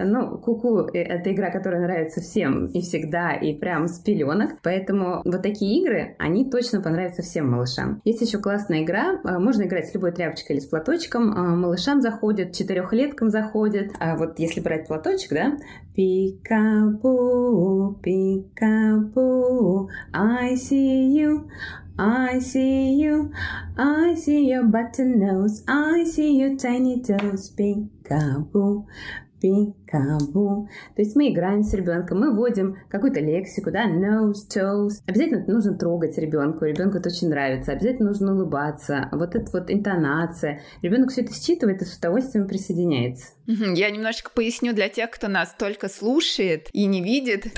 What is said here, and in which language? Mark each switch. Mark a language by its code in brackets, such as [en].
[ru] Ну, ку-ку — это игра, которая нравится всем и всегда, и прям с пеленок. Поэтому вот такие игры, они точно понравятся всем малышам. Есть еще классная игра, можно играть с любой тряпочкой или с платочком. Малышам заходит, четырехлеткам заходит. А вот если брать платочек, да? [en] Пикапу, пикапу, I see you. I see you, I see your button nose, I see your tiny toes, peek-a-boo, peek-a-boo. [ru] То есть мы играем с ребенком, мы вводим какую-то лексику, да, [en] nose, toes. [ru] Обязательно нужно трогать ребенку, ребенку это очень нравится, обязательно нужно улыбаться, вот эта вот интонация. Ребенок все это считывает и с удовольствием присоединяется. Я немножечко поясню для тех, кто нас только слушает и не видит.